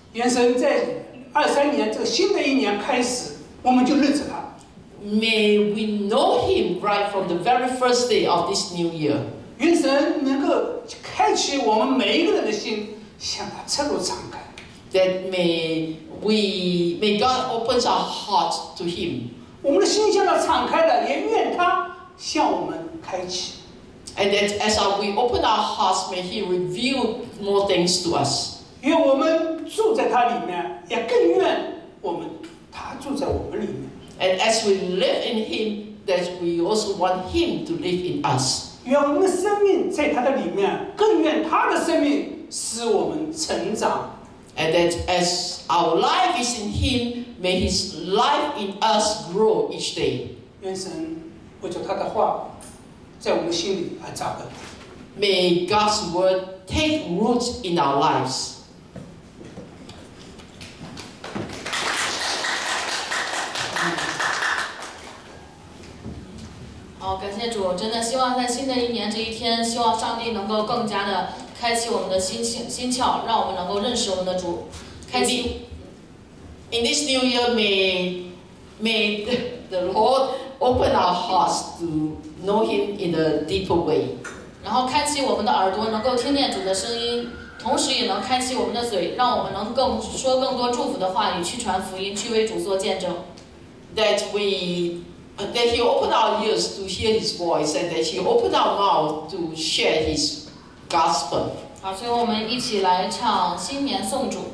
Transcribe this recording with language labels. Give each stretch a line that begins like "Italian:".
Chinese: 原神在23年这个新的一年开始，我们就认识他。
English: May we know him right from the very first day of this new year.
Chinese: 愿神能够开启我们每一个人的心，向他彻头敞开。
English: That may God open our hearts to him.
Chinese: 我们的心向他敞开了，也愿他向我们开启。
English: And that as we open our hearts, may he reveal more things to us.
Chinese: 愿我们住在他里面，也更愿我们他住在我们里面。
English: And as we live in him, that we also want him to live in us.
Chinese: 愿我们的生命在他的里面，更愿他的生命使我们成长。
English: And that as our life is in him, may his life in us grow each day.
Chinese: 愿神为着他的话在我们心里而扎根。
English: May God's word take root in our lives.
Chinese: 好，感谢主，真的希望在新的一年这一天，希望上帝能够更加的开启我们的心窍，让我们能够认识我们的主。开启。
English: In this new year, may the Lord open our hearts to know Him in a deeper way.
Chinese: 然后开启我们的耳朵，能够听见主的声音，同时也能开启我们的嘴，让我们能更说更多祝福的话语，去传福音，去为主做见证。
English: That he opened our ears to hear his voice, and that he opened our mouth to share his gospel.
Chinese: 好，所以我们一起来唱新年颂主。